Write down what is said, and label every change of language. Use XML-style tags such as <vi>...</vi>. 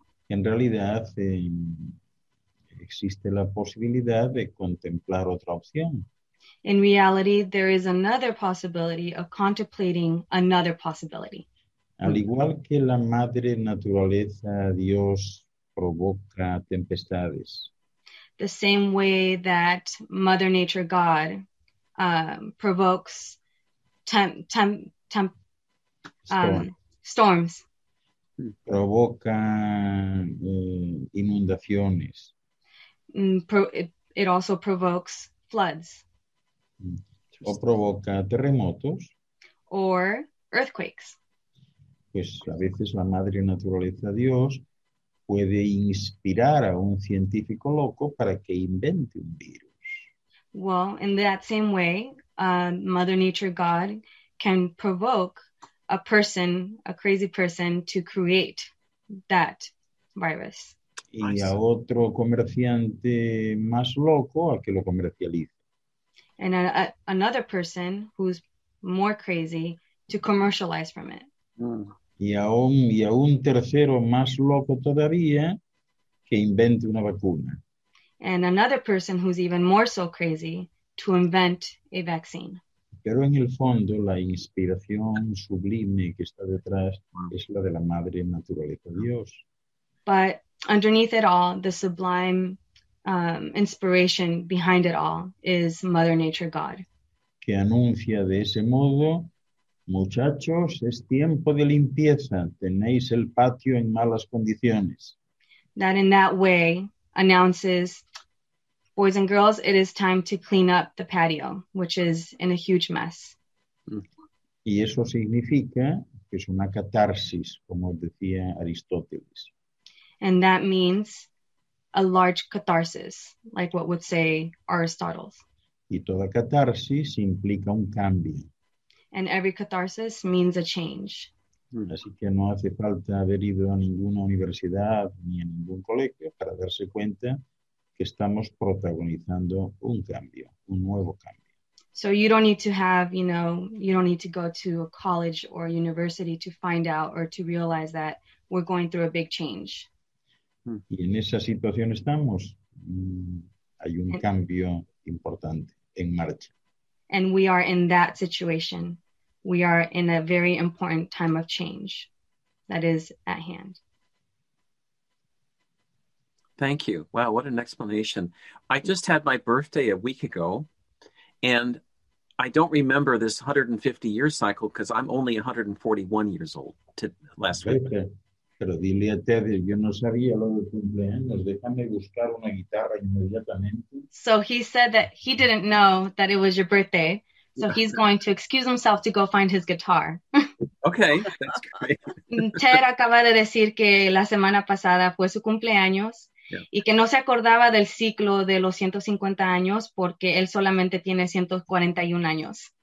<es>En realidad, existe la posibilidad de contemplar otra opción.</es> <en>in reality, there is another possibility of contemplating another possibility.</en> <es>Al igual que la madre naturaleza, Dios provoca tempestades.</es> <en>The same way that Mother Nature God provokes temp temp temp Storm. storms.</en> <es>Provoca inundaciones.</es> <en>It also provokes floods</en> <es>O provoca terremotos.</es> <en>or earthquakes.</en> <es>Pues a veces la madre naturaleza Dios puede inspirar a un científico loco para que invente un virus.</es> <en>Well, in that same way, Mother Nature God can provoke a person, a crazy person, to create that virus.</en> <es>Y a otro comerciante más loco a que lo comercialice.</es> <en>And another person who's more crazy to commercialize from it.</en> <es>y a un tercero más loco todavía que invente una vacuna.</es> <en>And another person who's even more so crazy to invent a vaccine.</en> <es>Pero en el fondo, la inspiración sublime que está detrás es la de la madre naturaleza, Dios.</es> <en>But underneath it all, the sublime inspiration behind it all is Mother Nature God.</en> <es>Que anuncia de ese modo, muchachos, es tiempo de limpieza. Tenéis el patio en malas condiciones.</es> <en>That in that way announces, boys and girls, it is time to clean up the patio, which is in a huge mess.</en> <es>Y eso significa que es una catarsis, como decía Aristóteles.</es> <en>And that means a large catharsis, like what would say Aristotle.</en> <es>Y toda catarsis implica un cambio.</es> <en>And every catharsis means a change.</en> <es>Así que no hace falta haber ido a ninguna universidad ni a ningún colegio para darse cuenta que estamos protagonizando un cambio, un nuevo cambio.</es> <en>So you don't need to have, you know, you don't need to go to a college or university to find out or to realize that we're going through a big change.</en> <es>Y en esa situación estamos. Hay un cambio importante en marcha.</es> <en>And we are in that situation. We are in a very important time of change that is at hand. Thank you. Wow, what an explanation. I just had my birthday a week ago, and I don't remember this 150-year cycle because I'm only 141 years old to last week.</en> <es>Pero dile a Ted, yo no sabía lo de cumpleaños. Déjame buscar una guitarra inmediatamente.</es> <en>So he said that he didn't know that it was your birthday. So he's going to excuse himself to go find his guitar. Okay, that's great.</en> <es>Ted acaba de decir que la semana pasada fue su cumpleaños y que no se acordaba del ciclo de los 150 años porque él solamente tiene 141 años.</es>